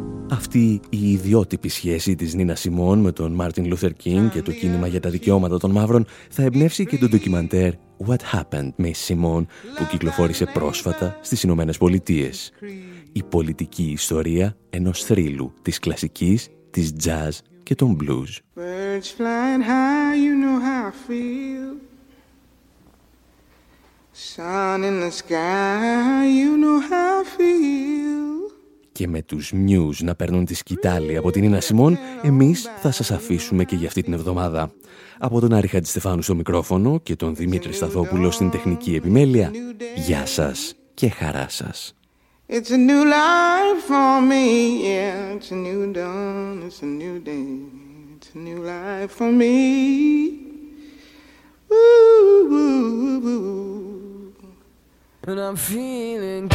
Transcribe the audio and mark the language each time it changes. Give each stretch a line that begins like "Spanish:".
Greek: Αυτή η ιδιότυπη σχέση της Νίνα Σιμών με τον Μάρτιν Λούθερ Κίνγκ και το κίνημα για τα δικαιώματα των μαύρων θα εμπνεύσει και τον ντοκιμαντέρ What Happened Miss Simone που κυκλοφόρησε πρόσφατα στις Ηνωμένες Πολιτείες. Η πολιτική ιστορία ενός θρύλου της κλασικής, της jazz και των blues.
English: Birds flying high, you know how I feel. Sun in the sky, you know how I feel.
Greek: Και με τους Muse να παίρνουν τη σκυτάλη από την Νίνα Σιμών, εμείς θα σας αφήσουμε και για αυτή την εβδομάδα. Από τον Άρη Χατζηστεφάνου στο μικρόφωνο και τον Δημήτρη Σταθόπουλο στην τεχνική επιμέλεια, γεια σας και χαρά σας.
English: It's a new life for me, yeah, it's a new dawn, it's a new day, it's a new life for me. And I'm feeling good.